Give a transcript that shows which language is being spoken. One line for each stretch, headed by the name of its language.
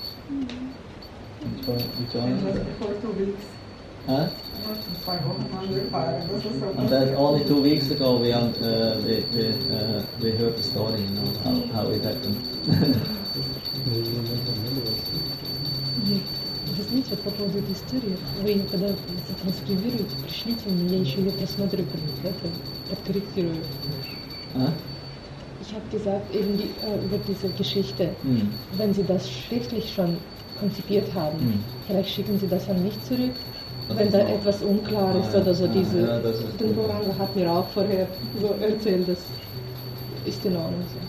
English: Mm-hmm. And then only 2 weeks ago we heard the story, you know, how it happened.
Russian: Знаете, вот по поводу этой истории, вы ее когда транскрибируете, пришлите мне, я еще ее просмотрю, как бы, это подкорректирую.
German: Ich habe gesagt, eben über diese Geschichte, wenn Sie das schriftlich schon konzipiert haben, vielleicht schicken Sie das an mich zurück, wenn da etwas unklar ist oder so. Diese, den Boranga hat mir auch vorher so erzählt, das ist in Ordnung.